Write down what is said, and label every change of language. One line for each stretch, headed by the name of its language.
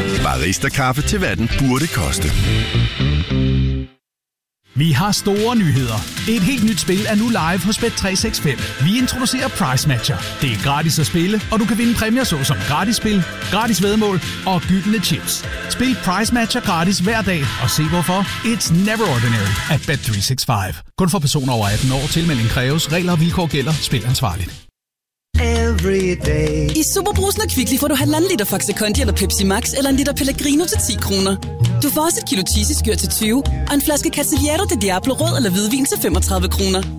Danish: Barista-kaffe til hvad den burde koste. Vi har store nyheder. Et helt nyt spil er nu live hos Bet365. Vi introducerer Price Matcher. Det er gratis at spille, og du kan vinde præmier såsom gratis spil, gratis væddemål og gyldne chips. Spil Price Matcher gratis hver dag og se hvorfor.
English: It's never ordinary at Bet365.
Danish: Kun for personer over 18 år. Tilmelding kræves. Regler og vilkår gælder. Spil ansvarligt.
English: Every day.
Danish: I Superbrusen og Kvickly får du 1,5 liter Faxe Kondi eller Pepsi Max eller 1 liter Pellegrino til 10 kroner. Du får også et kilo cheeseskyr til 20 og en flaske Casillero de Diablo rød eller hvidvin til 35 kroner.